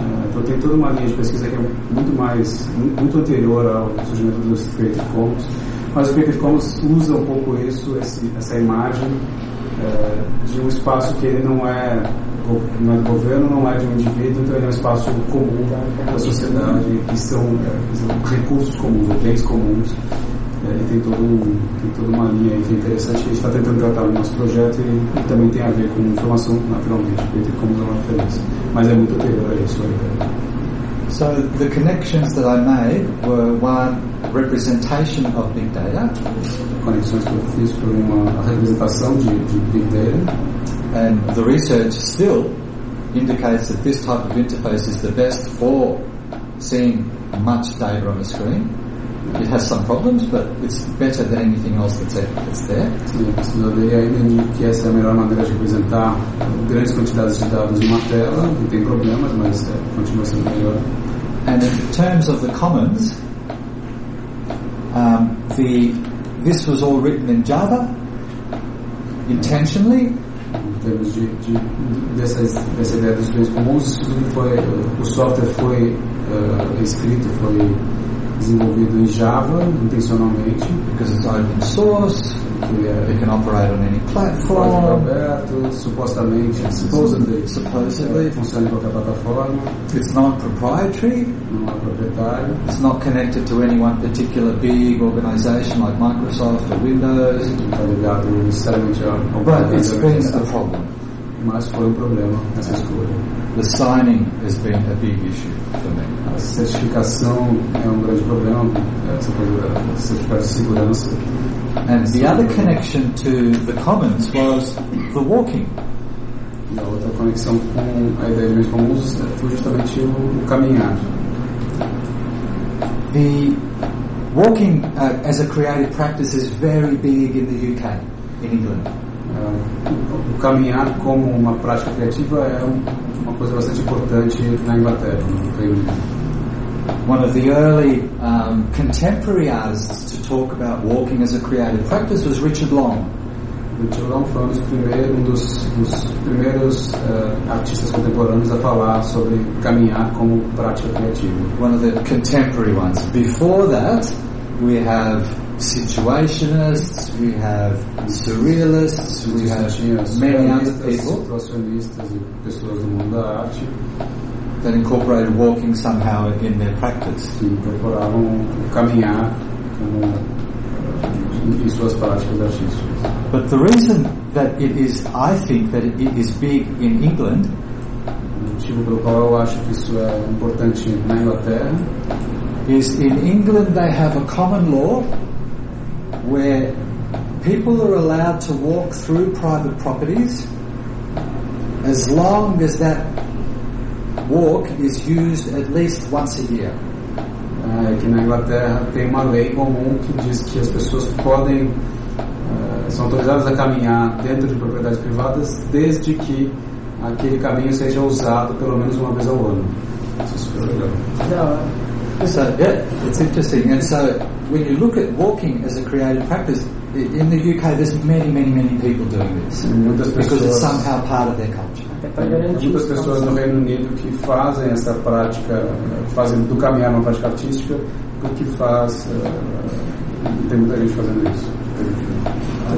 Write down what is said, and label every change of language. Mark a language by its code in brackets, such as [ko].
[pt] Então tem toda uma linha de pesquisa que é muito mais muito anterior ao surgimento dos Creative Commons, mas o Creative Commons usa um pouco isso, essa imagem de um espaço que ele não é do governo, não é de um indivíduo, então ele é um espaço comum da sociedade, que são recursos comuns, bens comuns. E tem toda uma linha aí que é interessante, que a gente está tentando tratar no nosso projeto e também tem a ver com informação, naturalmente, como é uma referência. Mas é muito anterior a isso aí. [en] So the connections that I made were one representation of big data. [pt] Conexões que eu fiz foi uma representação de big data. [en] And the research still indicates that this type of interface is the best for seeing much data on the screen. It has some problems, but it's better than anything else that's there. [pt] Sim, eu preciso ver ainda que essa é a melhor maneira de representar grandes quantidades de dados em uma tela, que tem problemas, mas continua sendo melhor. [en] And in terms of the commons, this was all written in Java, intentionally. [pt] Em termos dessa ideia dos bens comuns, o software foi desenvolvido em Java intencionalmente, [en] because it's open source, it can operate on any platform. [pt] Aberto, supostamente, [en] supposedly, [pt] funciona em qualquer plataforma. [en] It's non-proprietary, [pt] não é proprietário. [en] It's not connected to any one particular big organization like Microsoft or Windows. [pt] Está ligado necessariamente a uma [en] But it's been a problem. [pt] Mas foi problema essa escolha. [en] The signing has been a big issue for me. [pt] A certificação é grande problema, certificação de segurança. [en] And the other connection to the commons was the walking. [pt] E a outra conexão com a ideia de bens comuns foi justamente o caminhar. [en] The walking as a creative practice is very big in the UK, in England. [pt] O caminhar como uma prática criativa é uma coisa bastante importante na Inglaterra, no Reino Unido. [en] One of the early contemporary artists to talk about walking as a creative practice was Richard Long. [pt] Richard Long foi um dos primeiros artistas contemporâneos a falar sobre caminhar como prática criativa. [en] One of the contemporary ones. Before that, we have situationists, we have surrealists, we have many other people, [pt] impressionistas e pessoas do mundo da arte, [en] that incorporated walking somehow in their practice. [pt] Que incorporavam caminhar como em suas práticas artísticas. [en] But the reason that it is, I think, that it is big in England, [pt] o motivo pelo qual eu acho que isso é importante na Inglaterra, [en] is in England they have a common law where people are allowed to walk through private properties as long as that walk is used at least once a year. [pt] Aqui na Inglaterra tem uma lei comum que diz que as pessoas podem são autorizadas a caminhar dentro de propriedades privadas desde que aquele caminho seja usado pelo menos uma vez ao ano. Isso é super legal. [en] So, yeah, it's interesting. And so, when you look at walking as a creative practice, in the UK, there's many, many, many people doing this. [pt] Muitas pessoas, [en] because it's somehow part of their culture. [pt] Muitas pessoas no Reino Unido que fazem essa prática, fazem do caminhar uma prática artística, porque faz, tem muita gente fazendo isso.